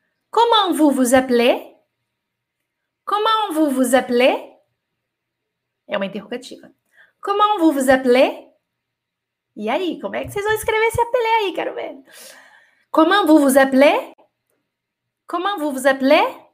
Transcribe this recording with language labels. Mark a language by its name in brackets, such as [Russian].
[French] Comment vous vous appelez? Comment vous vous appelez? [Portuguese] É uma interrogativa. [French] Comment vous vous appelez? [Portuguese] E aí, como é que vocês vão escrever esse apelé aí? Quero ver. [French] Comment vous vous appelez? Comment vous vous appelez?